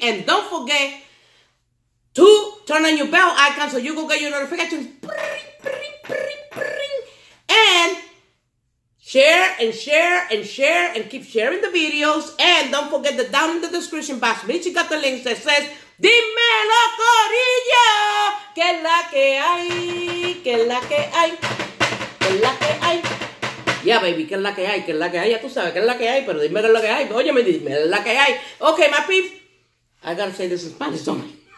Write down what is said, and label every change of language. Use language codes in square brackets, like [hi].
[en] And don't forget to turn on your bell icon so you can get your notifications. Bring, bring, bring, bring. And share and share and share and keep sharing the videos. And don't forget that down in the description box, Michi got the links that says, Dímelo, Corillo! [es] Que la que hay, que la que hay, que la que hay. [en] Yeah, baby, [es] que la que hay, que la que hay. Ya tú sabes que la que hay, pero dime la que hay. Óyeme, dime la que hay. [en] Okay, my peeps, I gotta say this in Spanish, don't I?